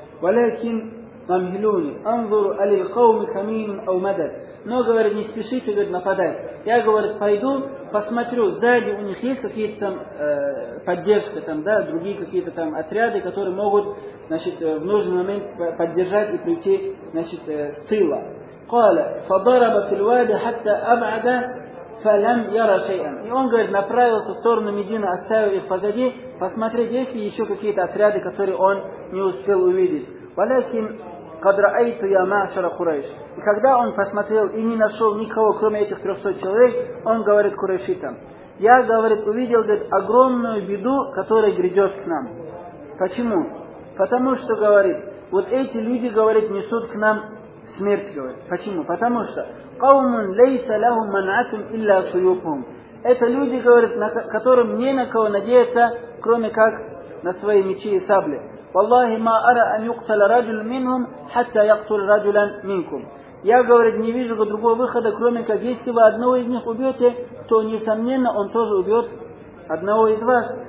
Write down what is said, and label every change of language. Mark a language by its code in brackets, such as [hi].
[ar] «Валякин намхилуни, анзуру алил хауми камимин ау мадад». [ru] Но, говорит, не спешите, говорит, нападать. Я, говорит, пойду, посмотрю, сзади у них есть какие-то там поддержки, там, да, другие какие-то там отряды, которые могут, значит, в нужный момент поддержать и прийти, значит, с тыла. [ar] قال فضرب في الوادي حتى أبعد فلم يرى شيئا. [ru] И он, говорит, направился в сторону Медины, оставив их позади, посмотреть, есть ли еще какие-то отряды, которые он не успел увидеть. [ar] ولكن قد رأيت يا معشر قريش. [ru] И когда он посмотрел и не нашел никого, кроме этих 300 человек, он говорит курайшитам: я, говорит, увидел, говорит, огромную беду, которая грядет к нам. Почему? Потому что, говорит, вот эти люди, говорит, несут к нам смерть, говорит. Почему? Потому что [ar] قَوْمٌ لَيْسَ لَهُمْ مَنْعَةٌ إِلَّا سُيُوفُهُمْ. [ru] Это люди, говорит, на которым не на кого надеяться, кроме как на свои мечи и сабли. [ar] وَاللَّهِ مَا أَرَى أَنْ يُقْتَلَ رَجُلٌ مِنْهُمْ حَتَّى يَقْتُلَ رَجُلًا مِنْكُمْ. [ru] Я, говорит, не вижу другого выхода, кроме как, если вы одного из них убьете, то, несомненно, он тоже убьет одного из вас.